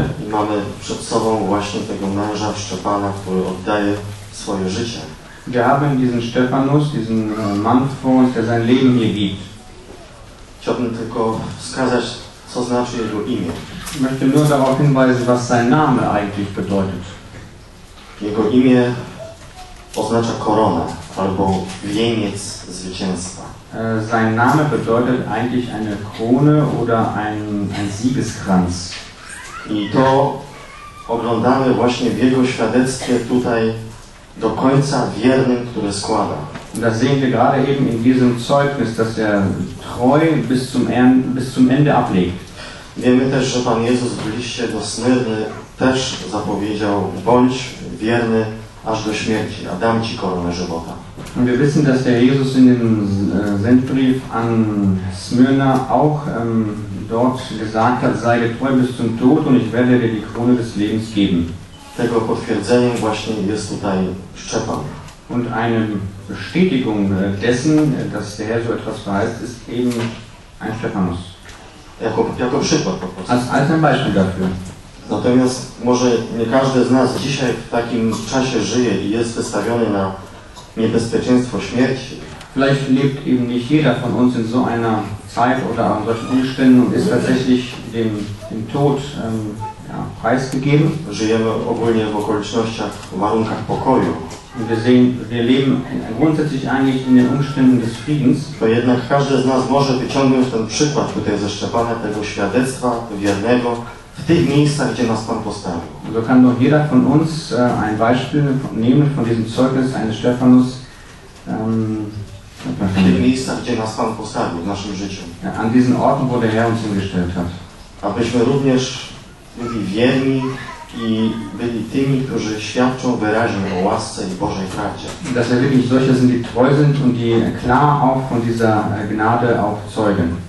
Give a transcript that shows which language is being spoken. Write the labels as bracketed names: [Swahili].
[Polish] Mamy przed sobą właśnie tego męża Szczepana, który oddaje swoje życie. [German] Wir haben diesen Stephanus, diesen Mann vor uns, der sein Leben hier gibt. [Polish] Chciałbym tylko wskazać, co znaczy jego imię. [German] Ich möchte nur darauf hinweisen, was sein Name eigentlich bedeutet. [Polish] Jego imię oznacza koronę albo wieniec zwycięstwa. [German] Sein Name bedeutet eigentlich eine Krone oder ein Siegeskranz. [Polish] I to oglądamy właśnie w jego świadectwie tutaj do końca wiernym, który składa. [German] Das sehen wir gerade eben in diesem Zeugnis, dass treu bis zum Ende ablegt. [Polish] Wiemy też, że Pan Jezus w liście do Smyrny też zapowiedział: bądź wierny aż do śmierci, a dam ci koronę żywota. [German] Und wir wissen, dass Jesus in dem Sendbrief an Smyrna auch dort gesagt hat: sei treu bis zum Tod und ich werde dir die Krone des Lebens geben. [Polish] Tego potwierdzeniem właśnie jest tutaj Szczepan. [German] Und eine Bestätigung dessen, dass Herr so etwas weiß, ist eben ein Stephanus. [Polish] Jako przykład po prostu. [German] Als ein Beispiel dafür. [Polish] Natomiast może nie każdy z nas dzisiaj w takim czasie żyje i jest wystawiony na niebezpieczeństwo śmierci. [German] Vielleicht lebt eben nicht jeder von uns in so einer Zeit oder an solchen Umständen und ist tatsächlich dem Tod preisgegeben. [Polish] Żyjemy ogólnie w okolicznościach, w warunkach pokoju. [German] Wir leben grundsätzlich eigentlich in den Umständen des Friedens. [Polish] To jednak każdy z nas może wyciągnąć ten przykład tutaj ze Szczepana, tego świadectwa wiernego w tych miejscach, gdzie nas Pan postawił. [German] So kann doch jeder von uns ein Beispiel nehmen von diesem Zeugnis eines Stephanus. [Polish] W tych miejscach, gdzie nas Pan postawił w naszym życiu. [German] An diesen Orten, wo der Herr uns hingestellt hat. [Polish] Abyśmy również byli wierni i byli tymi, którzy świadczą wyraźnie o łasce i Bożej prawdzie. [German] Dass wir wirklich solche sind, die treu sind und die klar auch von dieser Gnade auch zeugen.